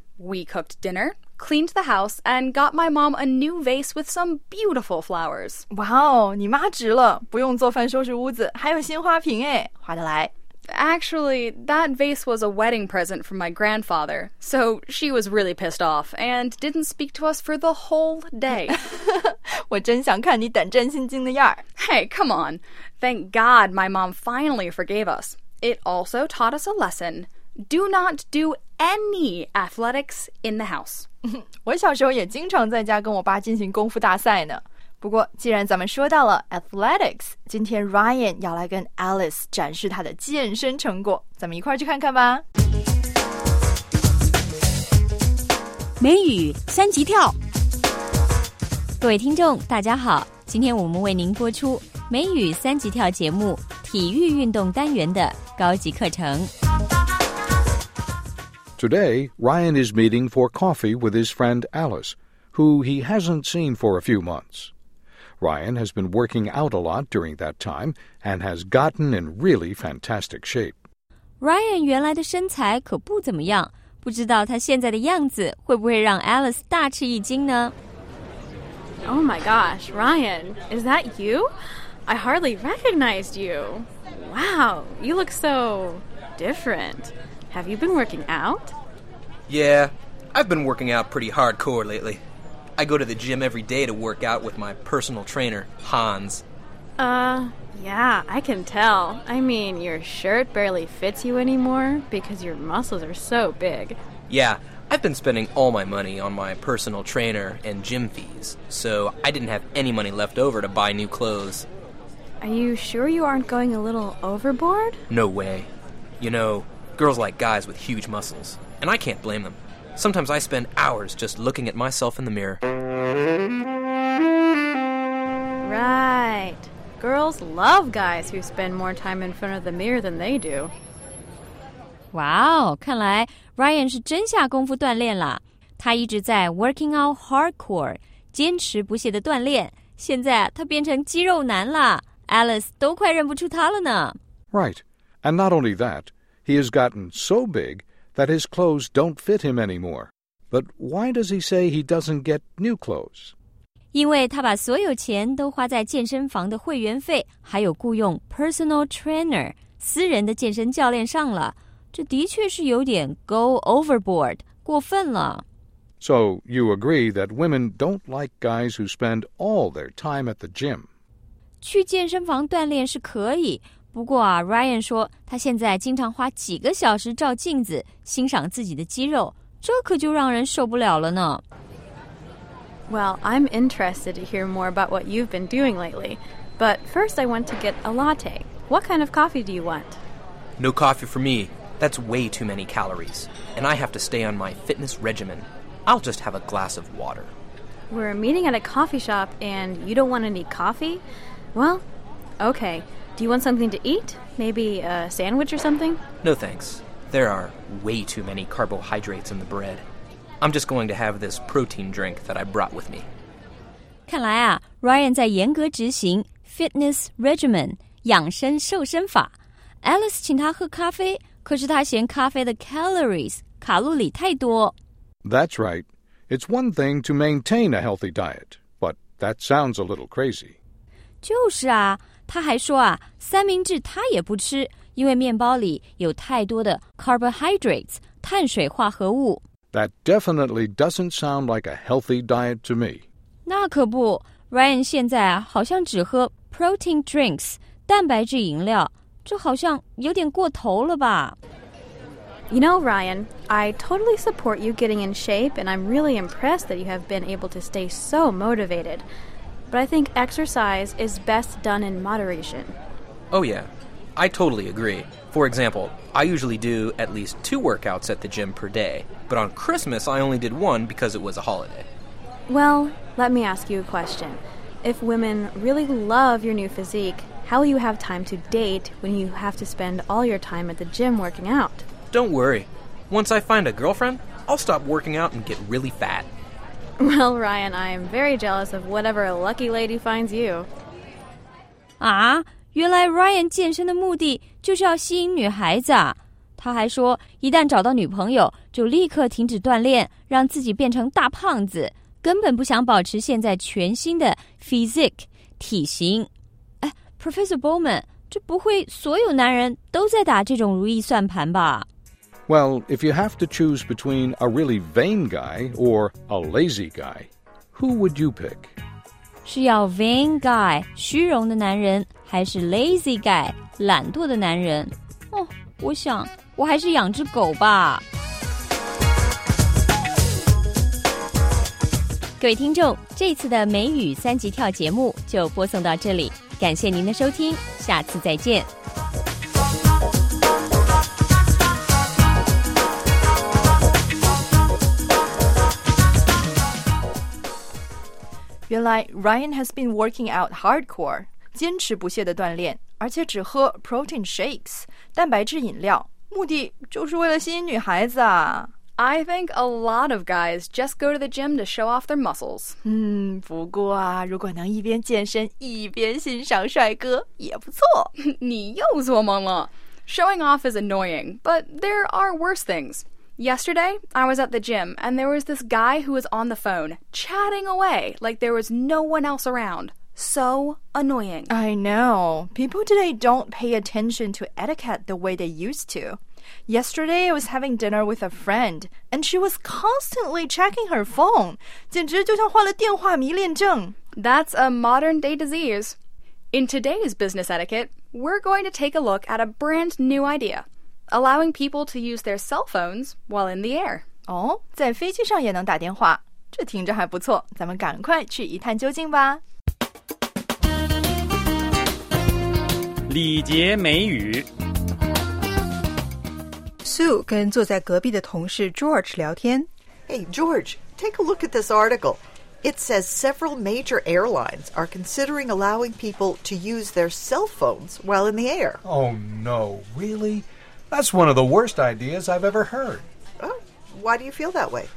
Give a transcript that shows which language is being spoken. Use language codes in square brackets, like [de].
[en] We cooked dinner, cleaned the house, and got my mom a new vase with some beautiful flowers. [zh] Wow, 你妈值了，不用做饭收拾屋子，还有新花瓶哎，划得来。 [en] Actually, that vase was a wedding present from my grandfather, so she was really pissed off and didn't speak to us for the whole day. [zh] 我真想看你胆战心惊的样儿。 [en] Hey, come on. Thank God my mom finally forgave us. It also taught us a lesson. Do not do any athletics in the house. [zh] 我小时候也经常在家跟我爸进行功夫大赛呢。不过既然咱们说到了 athletics， 今天 Ryan 要来跟 Alice 展示他的健身成果，咱们一块儿去看看吧。美语三级跳。各位听众大家好，今天我们为您播出美语三级跳节目体育运动单元的高级课程。 [en] Today, Ryan is meeting for coffee with his friend Alice, who he hasn't seen for a few months. Ryan has been working out a lot during that time and has gotten in really fantastic shape. [zh] Ryan 原来的身材可不怎么样，不知道他现在的样子会不会让 Alice 大吃一惊呢？ [en] Oh my gosh, Ryan, is that you? I hardly recognized you. Wow, you look so different. Have you been working out? Yeah, I've been working out pretty hardcore lately. I go to the gym every day to work out with my personal trainer, Hans. Yeah, I can tell. I mean, your shirt barely fits you anymore because your muscles are so big. Yeah, I've been spending all my money on my personal trainer and gym fees, so I didn't have any money left over to buy new clothes. Are you sure you aren't going a little overboard? No way. You know, girls like guys with huge muscles, and I can't blame them. Sometimes I spend hours just looking at myself in the mirror. Right. Girls love guys who spend more time in front of the mirror than they do. [zh] Wow, 看来 Ryan 是真下功夫锻炼了。他一直在 [en] working out hardcore, [zh] 坚持不懈的锻炼。现在他变成肌肉男了。Alice 都快认不出他了呢。 [en] Right, and not only that, he has gotten so big that his clothes don't fit him anymore. But why does he say he doesn't get new clothes? [zh] 因为他把所有钱都花在健身房的会员费，还有雇用 personal trainer, 私人的健身教练上了。这的确是有点 [en] go overboard, [zh] 过分了。 [en] So you agree that women don't like guys who spend all their time at the gym. [zh] 去健身房锻炼是可以，不过啊 ，Ryan 说他现在经常花几个小时照镜子欣赏自己的肌肉，这可就让人受不了了呢。 [en] Well, I'm interested to hear more about what you've been doing lately. But first I want to get a latte. What kind of coffee do you want? No coffee for me. That's way too many calories. And I have to stay on my fitness regimen. I'll just have a glass of water. We're meeting at a coffee shop and you don't want any coffee? Well, okay. Do you want something to eat? Maybe a sandwich or something? No thanks. There are way too many carbohydrates in the bread. I'm just going to have this protein drink that I brought with me. [zh] 看来啊 ，Ryan 在严格执行 fitness regimen 养生瘦身法。 Alice 请他喝咖啡，可是他嫌咖啡的 calories 卡路里太多。 [en] That's right. It's one thing to maintain a healthy diet, but that sounds a little crazy. [zh] 就是啊，他还说啊，三明治他也不吃，因为面包里有太多的 carbohydrates 碳水化合物。 [en] That definitely doesn't sound like a healthy diet to me. [zh] 那可不 ,Ryan 现在啊好像只喝 protein drinks, 蛋白质饮料。这好像有点过头了吧。 [en] You know, Ryan, I totally support you getting in shape and I'm really impressed that you have been able to stay so motivated. But I think exercise is best done in moderation. Oh yeah, I totally agree. For example, I usually do at least 2 workouts at the gym per day, but on Christmas I only did 1 because it was a holiday. Well, let me ask you a question. If women really love your new physique, how will you have time to date when you have to spend all your time at the gym working out? Don't worry. Once I find a girlfriend, I'll stop working out and get really fat. Well, Ryan, I am very jealous of whatever a lucky lady finds you. Ah? [zh] 原来 Ryan 健身的目的就是要吸引女孩子啊。他还说一旦找到女朋友就立刻停止锻炼，让自己变成大胖子，根本不想保持现在全新的 physique 体型。哎 ,Professor Bowman, 这不会所有男人都在打这种如意算盘吧 [en] ?Well, if you have to choose between a really vain guy or a lazy guy, who would you pick? [zh] 是要 [en] vain guy, [zh] 虚荣的男人还是 [en] lazy guy, [zh] 懒惰的男人哦，我想我还是养只狗吧。各位听众，这次的美语三级跳节目就播送到这里，感谢您的收听，下次再见。原来 Ryan [en] has been working out hardcore, [zh] 坚持不懈的锻炼，而且只喝 protein shakes, 蛋白质饮料，目的就是为了吸引女孩子啊。 [en] I think a lot of guys just go to the gym to show off their muscles. [zh] 不过啊，如果能一边健身一边欣赏帅哥也不错。你又做梦了。 [en] Showing off is annoying, but there are worse things. Yesterday, I was at the gym, and there was this guy who was on the phone, chatting away like there was no one else around. So annoying. I know. People today don't pay attention to etiquette the way they used to. Yesterday, I was having dinner with a friend, and she was constantly checking her phone. [zh] 简直就像患了电话迷恋症。 [en] That's a modern-day disease. In today's business etiquette, we're going to take a look at a brand new idea, allowing people to use their cell phones while in the air. [zh] 哦，在飞机上也能打电话，这听着还不错，咱们赶快去一探究竟吧。礼节美语。 Sue 跟坐在隔壁的同事 George 聊天。 [en] Hey, George, take a look at this article. It says several major airlines are considering allowing people to use their cell phones while in the air. Oh, no, really? That's one of the worst ideas I've ever heard. Oh, why do you feel that way?